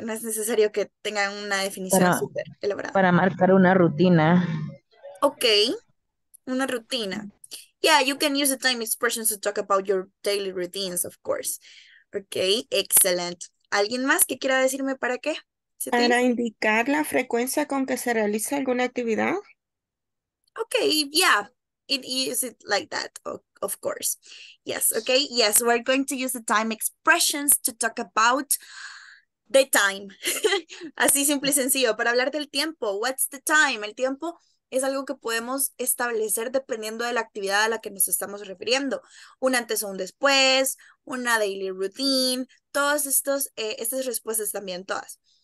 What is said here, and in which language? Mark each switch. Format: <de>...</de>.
<es>No es necesario que tengan una definición para, super elaborada. Para marcar una rutina. Okay, una rutina.</es> <en>Yeah, you can use the time expressions to talk about your daily routines, of course.</en> <es>Okay, excellent. ¿Alguien más que quiera decirme para qué? Para indicar la frecuencia con que se realiza alguna actividad.</es> <en>Okay, yeah. It uses it like that, of course. Yes, okay. Yes, we're going to use the time expressions to talk about the time.</en> <es>Así simple y sencillo, para hablar del tiempo.</es> <en>What's the time?</en> <es>El tiempo es algo que podemos establecer dependiendo de la actividad a la que nos estamos refiriendo. Un antes o un después, una daily routine, todas estas respuestas también, todas.</es>